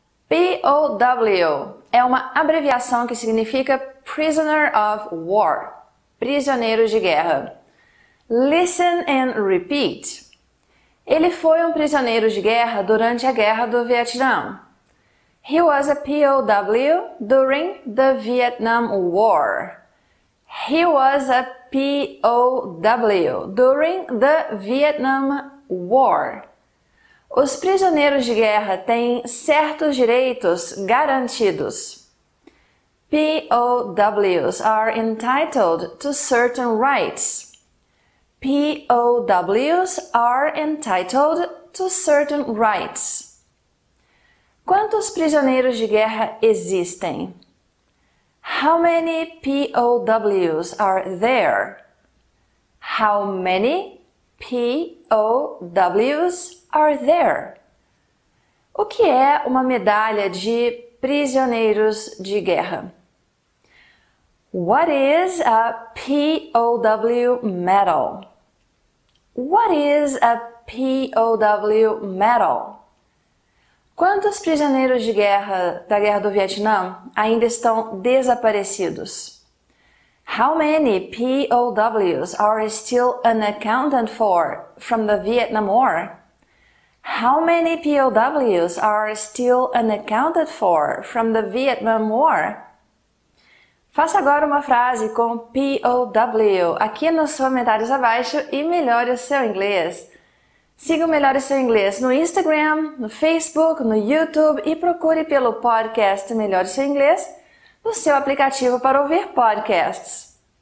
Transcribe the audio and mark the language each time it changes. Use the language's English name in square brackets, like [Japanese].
[Portuguese] POW é uma abreviação que significa [English] Prisoner of War, [Portuguese] prisioneiro de guerra. [English] Listen and repeat. [Portuguese] Ele foi um prisioneiro de guerra durante a Guerra do Vietnã. [English] He was a POW during the Vietnam War. He was a POW during the Vietnam War. [Portuguese] Os prisioneiros de guerra têm certos direitos garantidos. [English] POWs are entitled to certain rights. POWs are entitled to certain rights. [Portuguese] Quantos prisioneiros de guerra existem? [English] How many POWs are there? How many POWs are there? [Portuguese] O que é uma medalha de prisioneiros de guerra? [English] What is a POW medal? What is a POW medal? [Portuguese] Quantos prisioneiros de guerra da Guerra do Vietnã ainda estão desaparecidos? [English] How many POWs are still unaccounted for from the Vietnam War? How many POWs are still unaccounted for from the Vietnam War? [Portuguese] Faça agora uma frase com POW aqui nos comentários abaixo e melhore o seu inglês. Siga o Melhore Seu Inglês no Instagram, no Facebook, no YouTube e procure pelo podcast Melhore Seu Inglês no seu aplicativo para ouvir podcasts.